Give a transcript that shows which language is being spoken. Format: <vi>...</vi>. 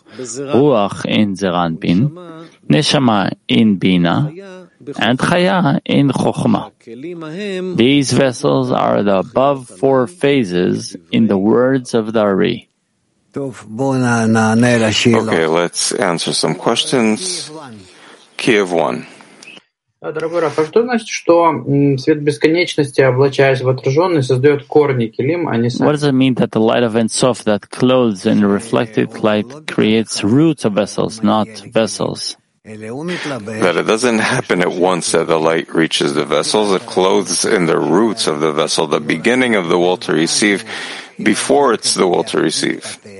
<en>Ruach in Zeranpin, Neshama in Bina, and Chaya in Chochma. These vessels are the above four phases in the words of the Ari. Okay, let's answer some questions. Kiev 1.</en> <ru>Дорогой Раф, а что значит, что свет бесконечности, облачаясь в отраженный, создает корни килим, а не сам?</ru> <en>What does it mean that the light of Ein Sof that clothes in reflected light creates roots of vessels, not vessels? That it doesn't happen at once that the light reaches the vessels, it clothes in the roots of the vessel, the beginning of the will to receive, before it's the will to receive.</en>